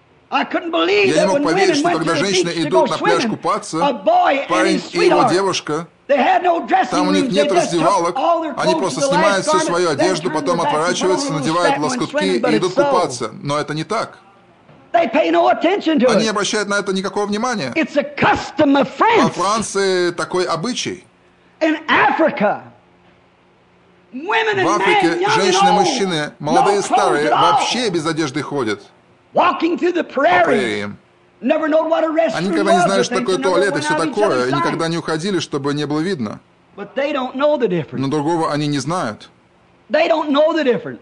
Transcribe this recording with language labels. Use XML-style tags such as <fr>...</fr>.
<ru>Я не мог поверить, что когда женщины идут на пляж купаться, парень и его девушка, там у них нет раздевалок, они просто снимают всю свою одежду, потом отворачиваются, надевают лоскутки и идут купаться. Но это не так.</ru> <en>They pay no attention to it.</en> <ru>Они не обращают на это никакого внимания.</ru> <en>It's a custom of France.</en> <ru>Во Франции такой обычай.</ru> <en>In Africa, women and men, young and old,</en> <ru>женщины, мужчины, молодые, старые, вообще без одежды ходят.</ru> <en>Walking through the prairie. Never known what a restroom was.</en> <ru>Они никогда не знали, что такое туалет и все такое. И никогда не уходили, чтобы не было видно.</ru> <en>But they don't know the difference.</en> <ru>Но другого они не знают.</ru> <en>They don't know the difference.</en>